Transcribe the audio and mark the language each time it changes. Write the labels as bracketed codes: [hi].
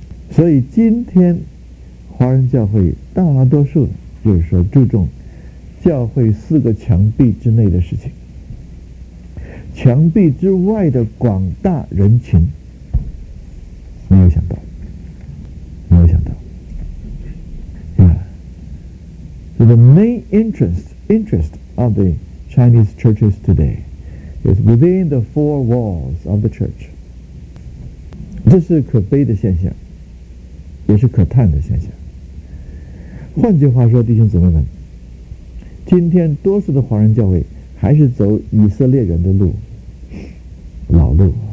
[zh] 所以今天华人教会大多数就是说注重教会四个墙壁之内的事情，墙壁之外的广大人群没有想到啊。 [en] So the main interest of the Chinese churches today is within the four walls of the church. [zh] 这是可悲的现象，也是可叹的现象。换句话说，弟兄姊妹们，今天多数的华人教会还是走以色列人的路，老路。